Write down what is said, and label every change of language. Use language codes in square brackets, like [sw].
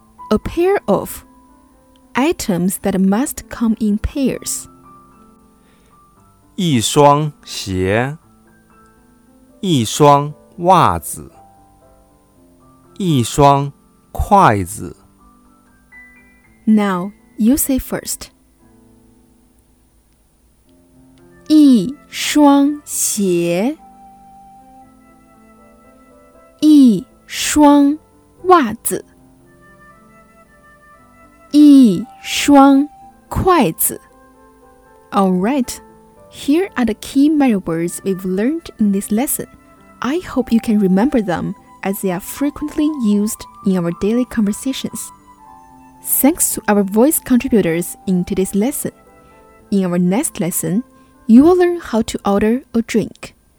[en] A pair of items that must come in pairs. [zh] 一双鞋，一双袜子，一双筷子。 [en] Now you say first. [zh] 一双鞋，一双袜子，一双筷子。 [en] All right, here are the key Malay words we've learned in this lesson. I hope you can remember them as they are frequently used in our daily conversations. Thanks to our voice contributors in today's lesson. In our next lesson,You will learn how to order a drink.